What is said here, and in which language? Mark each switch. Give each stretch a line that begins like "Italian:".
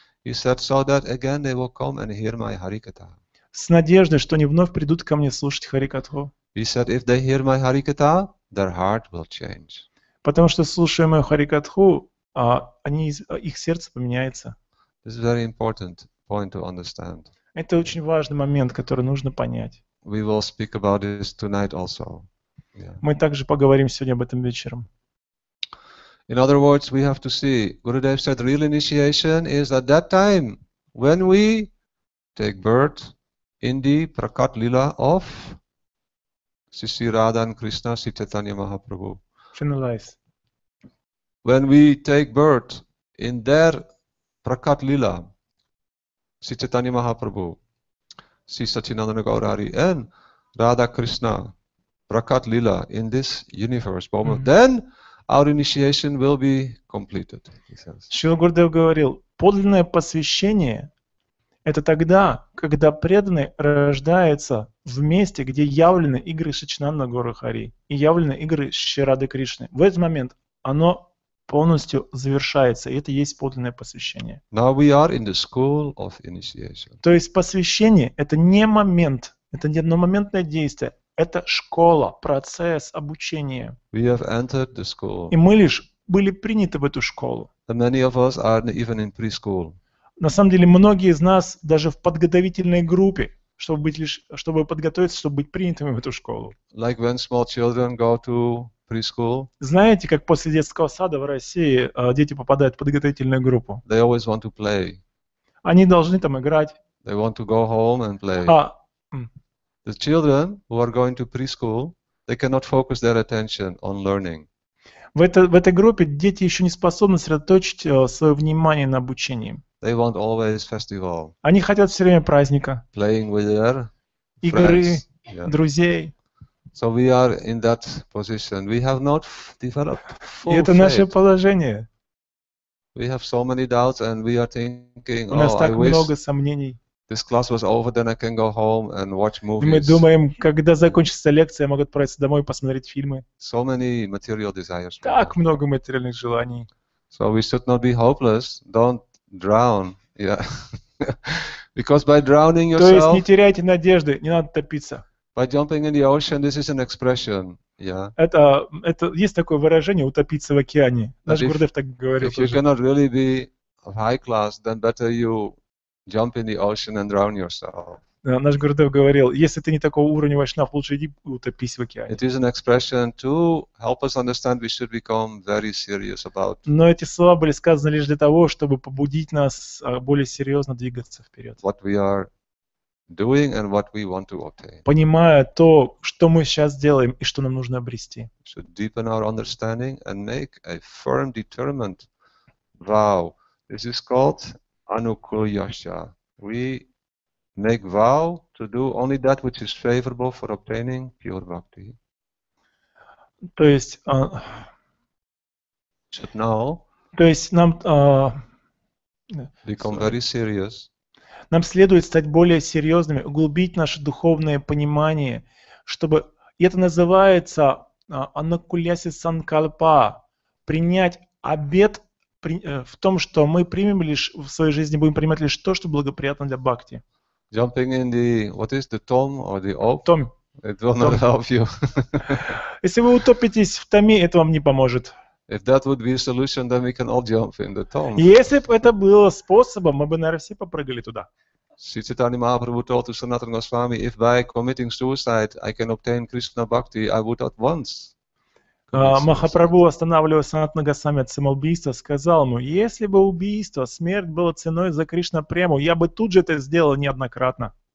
English: He said, so that again they will come and hear my harikata.
Russian: С надеждой, что они вновь придут ко мне слушать харикатху.
English: He said, if they hear my harikata, their heart will change.
Russian: Потому что слушая мою харикатху, их сердце поменяется.
English: This is a very important point to understand.
Russian: Это очень важный момент, который нужно понять.
English: We will speak about this tonight also.
Russian: Мы также поговорим сегодня об этом вечером.
English: In other words, we have to see. Gurudev said, real initiation is at that time when we take birth in the prakat lila of Sisi Radha and Krishna, Sri Chaitanya Mahaprabhu. Finalize. When we take birth in their Prakat Lila, Sri Chaitanya Mahaprabhu, Sri Satchinandana Gaurari, and Radha Krishna, Prakat Lila in this universe, Bhoma, mm-hmm. then our initiation will be completed, he says.
Russian: Шрила Гурудев говорил, подлинное посвящение это тогда, когда преданный рождается в месте, где явлены игры Шичнанда Гуру Хари и явлены игры Шри Рады Кришны. В этот момент оно полностью завершается, и это есть подлинное посвящение.
English: Now we are in the school of initiation.
Russian: То есть посвящение — это не момент, это не одномоментное действие, это школа, процесс обучения.
English: We have entered the school.
Russian: И мы лишь были приняты в эту школу.
English: And many of us are even in preschool.
Russian: На самом деле, многие из нас даже в подготовительной группе, чтобы подготовиться, чтобы быть принятыми в эту школу.
English: Like when small children go to preschool.
Russian: Знаете, как после детского сада в России дети попадают в подготовительную группу?
English: They always want to play.
Russian: Они должны там играть.
English: They want to go home and play. The children who are going to preschool, they cannot focus their attention on learning.
Russian: В этой группе дети еще не способны сосредоточить свое внимание на обучении.
English: They want always festival.
Russian: Они хотят все время праздника.
English: Playing with their friends.
Russian: Игры, друзей.
English: So we are in that position. We have not developed full faith.
Russian: И это наше положение.
English: We have so many doubts and we are thinking,
Russian: у нас так много сомнений.
English: This class was over, then I can go home and watch movies.
Russian: Мы думаем, когда закончится лекция, я могу отправиться домой и посмотреть фильмы.
English: So many material desires.
Russian: Так много материальных желаний.
English: So we should not be hopeless. Don't drown, yeah. Because by drowning yourself.
Russian: То есть не теряйте надежды, не надо топиться.
English: By jumping in the ocean, this is an expression, yeah.
Russian: Это есть такое выражение, утопиться в океане. Наш Гурудев так говорил.
English: If you cannot really be of high class, then better you jump in the ocean and drown yourself.
Russian: Наш Гурудев говорил, если ты не такого уровня вайшнав, лучше иди утопись в океане.
English: It is an expression to help us understand we should become very serious about.
Russian: Но эти слова были сказаны лишь для того, чтобы побудить нас более серьезно двигаться вперед.
English: What we are doing and what we want to obtain.
Russian: Понимая то, что мы сейчас делаем и что нам нужно обрести.
English: We should deepen our understanding and make a firm, determined vow. This is called anukulyasha. We make vow to do only that which is favorable for obtaining pure bhakti.
Russian: То есть,
English: should know.
Russian: То есть нам
English: become very serious.
Russian: Нам следует стать более серьезными, углубить наше духовное понимание, чтобы и это называется анакуляси санкальпа, принять обет в том, что мы примем лишь в своей жизни будем принимать лишь то, что благоприятно для бхакти.
English: Jumping in the what is the tom or the op? Tom. It will not help you.
Russian: Если вы утопитесь в томе, это вам не поможет.
English: If that would be a solution, then we can all jump in the tom.
Russian: Если бы это было способом, мы бы, наверное, все попрыгали туда.
English: Sri Chaitanya Mahaprabhu told to Sanatana Goswami, if by committing suicide I can obtain Krishna bhakti, I would at once
Russian: Махапрабху, останавливаясь Санатана Госвами от самоубийства, сказал ему: если бы убийство, смерть была ценой за Кришна прему, я бы тут же это сделал неоднократно.